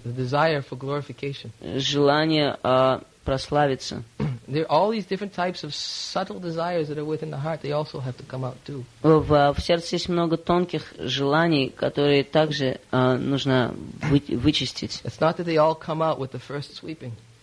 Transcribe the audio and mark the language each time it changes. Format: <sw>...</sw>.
<en>the desire for glorification.</en> <ru>Желание прославиться.</ru> <en>There are all these different types of subtle desires that are within the heart. They also have to come out too.</en> <ru>В сердце есть много тонких желаний, которые также нужно вычистить.</ru> <en>It's not that they all come out with the first sweeping.</en>